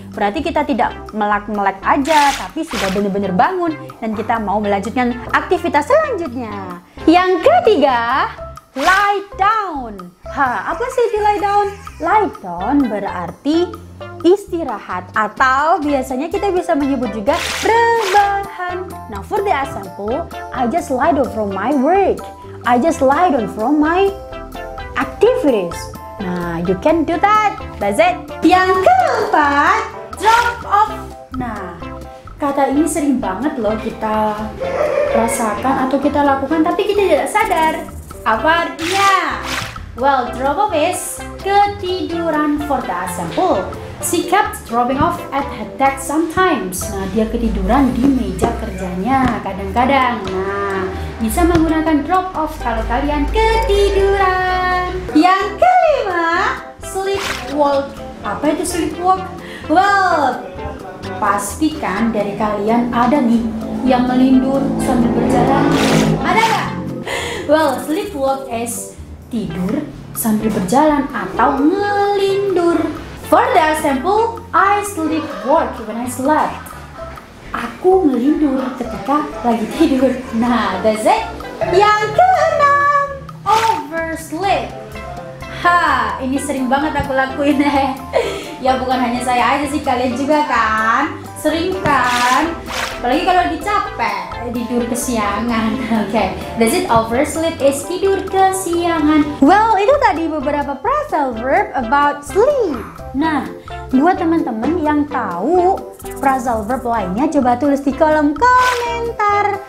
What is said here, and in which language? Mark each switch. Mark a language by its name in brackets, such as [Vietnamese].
[Indonesian] Berarti kita tidak melek-melek aja, tapi sudah benar-benar bangun dan kita mau melanjutkan aktivitas selanjutnya. Yang ketiga, lie down. Apa sih itu lie down? Lie down berarti istirahat, atau biasanya kita bisa menyebut juga rebahan. [English] Now for the example, I just lie down from my work. I just lie down from my activities. Nah, you can do that. That's it. [Indonesian] Yang keempat, [English] drop off. [Indonesian] Nah, kata ini sering banget loh kita rasakan atau kita lakukan, tapi kita tidak sadar. Apa artinya? [English] Well, drop off is [Indonesian] ketiduran, [English] for the example. She kept dropping off at her desk sometimes. [Indonesian] Nah, dia ketiduran di meja kerjanya kadang-kadang. Nah, bisa menggunakan drop off kalau kalian ketiduran. Yang kelima, sleepwalk. Apa itu sleepwalk? Well, pastikan dari kalian ada nih yang melindur sambil berjalan. Ada nggak? [English] Well, sleepwalk is [Indonesian] tidur sambil berjalan atau melindur. [English] For the example, I sleepwalk when I slept. [Indonesian] Aku melindur ketika lagi tidur. [English] Nah, that's it. [Indonesian] Yang keenam, oversleep. Ha, ini sering banget aku lakuin. Ya, bukan hanya saya aja sih, kalian juga kan? Sering kan? Apalagi kalau lagi capek, tidur kesiangan. [English] Okay, that's it, oversleep is [Indonesian] tidur kesiangan. Well, itu tadi beberapa phrasal verb [English] about sleep. [Indonesian] Nah, buat teman-teman yang tahu phrasal verb lainnya, coba tulis di kolom komentar.